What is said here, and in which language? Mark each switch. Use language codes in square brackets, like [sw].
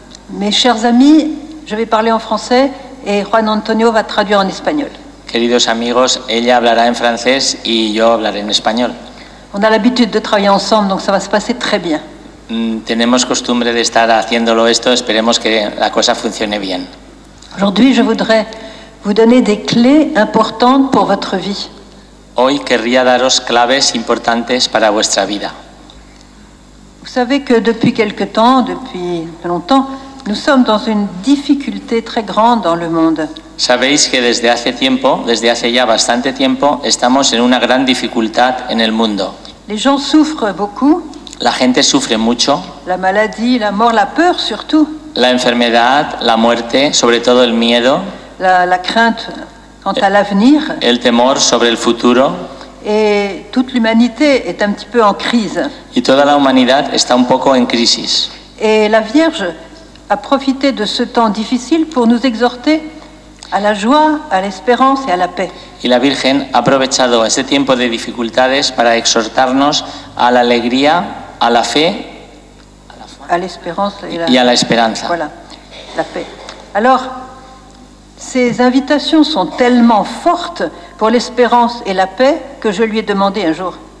[fr] Mes chers amis, je vais parler en français et Juan Antonio va traduire en espagnol. [es] Queridos amigos, ella hablará en francés y yo hablaré en español. [fr] On a l'habitude de travailler ensemble, donc ça va se passer très bien. [es] Tenemos costumbre de estar haciéndolo esto, esperemos que la cosa funcione bien. [fr] Aujourd'hui, je voudrais vous donner des clés importantes pour votre vie. [es] Hoy querría daros claves importantes para vuestra vida. [fr] Vous savez que depuis quelque temps, depuis longtemps, nous sommes dans une difficulté très grande dans le monde. [es] Sabéis que desde hace tiempo, desde hace ya bastante tiempo, estamos en una gran dificultad en el mundo. [fr] Les gens souffrent beaucoup. [es] La gente sufre mucho. [fr] La maladie, la mort, la peur surtout. [es] La enfermedad, la muerte, sobre todo el miedo. [fr] La crainte quant à l'avenir. [es] El temor sobre el futuro. [fr] Et toute l'humanité est un petit peu en crise. [es] Y toda la humanidad está un poco en crisis. [fr] Et la Vierge a profité de ce temps difficile pour nous exhorter à la joie, à l'espérance et à la paix. [es] Y la Virgen ha aprovechado ese tiempo de dificultades para exhortarnos a la alegría, a la fe, [fr] à l'espérance [es] y a la esperanza. [fr] Voilà, la paix. Alors, ces invitations sont tellement fortes pour l'espérance et la paix que je lui ai demandé un jour.